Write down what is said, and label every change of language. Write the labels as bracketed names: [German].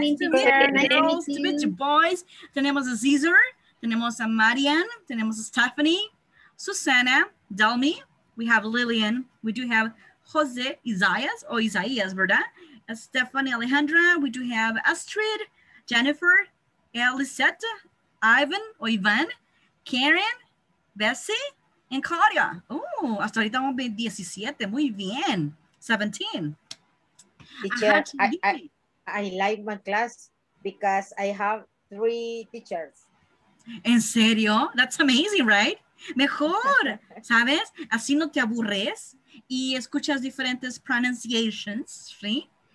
[English] Nice to meet you. Nice to meet you, boys. [Spanish] Tenemos a Caesar, tenemos a Marian, tenemos a Stephanie, [English] Susana, Delmi, we have Lillian, we do have Jose Isaias, o Isaías, ¿verdad? Stephanie Alejandra, we do have Astrid, Jennifer, Elisette, Ivan, o Ivan, Karen, Bessie, and Claudia. [Spanish] Oh, hasta ahorita vamos a ver 17, muy bien. 17. [English] Teacher, I like my class because I have 3 teachers. [Spanish] ¿En serio? [English] That's amazing, right? [Spanish] Mejor, ¿sabes? Así no te aburres y escuchas diferentes pronunciations, ¿sí?